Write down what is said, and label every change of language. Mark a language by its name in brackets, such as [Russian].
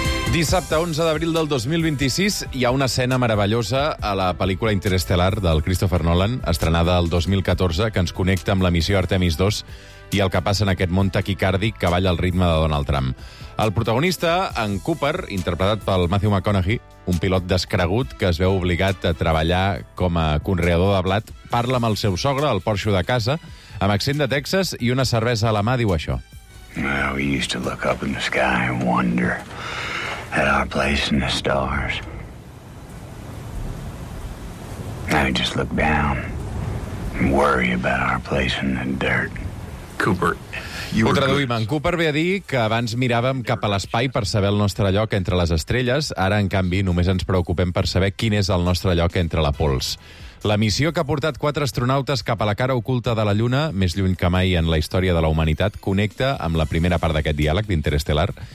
[Catalan] Dissabte 11 d'abril del 2026 hi ha una escena meravellosa a la pel·lícula Interestel·lar del Christopher Nolan, estrenada el 2014, que ens connecta amb la missió Artemis 2 i el que passa en aquest món taquicàrdic que balla al ritme de Donald Trump. El protagonista, en Cooper, interpretat pel Matthew McConaughey, un pilot descregut que es veu obligat a treballar com a conreador de blat, parla amb el seu sogre, el porxo de casa, amb accent de Texas i una cervesa a la mà, diu això. [English] Well, we used to look up in the sky and wonder at our place in the stars. Now we just look down and worry about our place in the dirt. Cooper. [Catalan] Ho traduïm. En Cooper ve a dir que abans miràvem cap a l'espai per saber el nostre lloc entre les estrelles. Ara, en canvi, només ens preocupem per saber quin és el nostre lloc entre la pols. La missió que ha portat quatre astronautes cap a la cara oculta de la Lluna, més lluny que mai en la història de la humanitat, connecta amb la primera part d'aquest diàleg d'Interestel·lar.